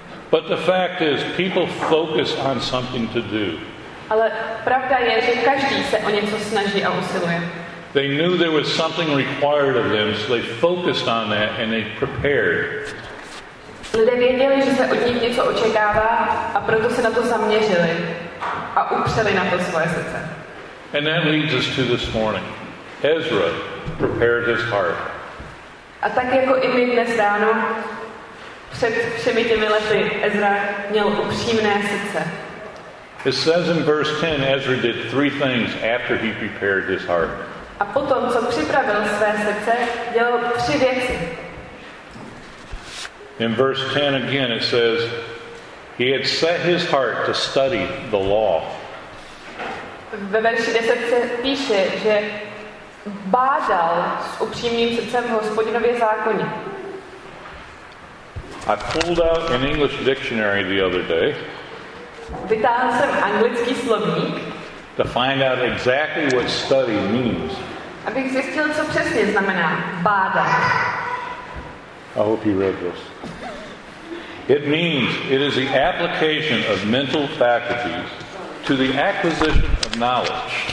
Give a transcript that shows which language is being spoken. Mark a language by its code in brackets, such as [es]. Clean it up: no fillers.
[en] But the fact is, people focus on something to do. [cs] Ale pravda je, že každý se o něco snaží a usiluje. [en] They knew there was something required of them, so they focused on that and they prepared. [cs] Lidé věděli, že se od nich něco očekává, a proto se na to zaměřili a upřeli na to svoje srdce. [en] And that leads us to this morning. Ezra prepared his heart. [cs] A tak jako i my dnes ráno, před všemi těmi lety Ezra měl upřímné srdce. [en] It says in verse 10, Ezra did three things after he prepared his heart. [cs] A potom, co připravil své srdce, dělal tři věci. [en] In verse 10 again it says, he had set his heart to study the law. [cs] Ve verši 10 se píše, že bádal s upřímným srdcem v Hospodinově zákoně. [en] I pulled out an English dictionary the other day. [cs] Vytáhl jsem anglický slovník. [en] To find out exactly what study means. [cs] Abych zjistil, co přesně znamená bádat. [en] I hope you read this. It means it is the application of mental faculties to the acquisition of knowledge.